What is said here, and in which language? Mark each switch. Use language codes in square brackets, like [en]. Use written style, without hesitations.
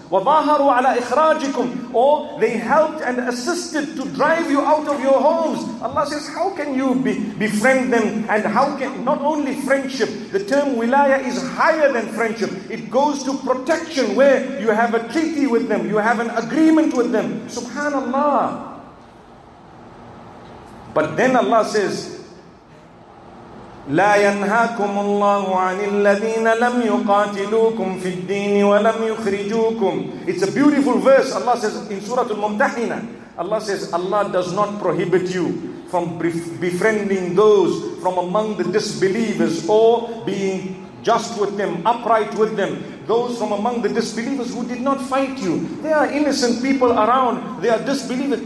[ar] وَظَاهَرُوا عَلَىٰ إِخْرَاجِكُمْ, [en] or they helped and assisted to drive you out of your homes. Allah says, how can you befriend them? And how can, not only friendship, the term wilaya is higher than friendship. It goes to protection where you have a treaty with them, you have an agreement with them. Subhanallah. But then Allah says, [ar] لَا يَنْهَاكُمُ اللَّهُ عَنِ الَّذِينَ لَمْ يُقَاتِلُوكُمْ فِي الدِّينِ وَلَمْ يُخْرِجُوكُمْ. [en] It's a beautiful verse. Allah says in Surah Al-Mumtahina, Allah says, Allah does not prohibit you from befriending those from among the disbelievers, or being just with them, upright with them. Those from among the disbelievers who did not fight you. There are innocent people around. They are disbelievers.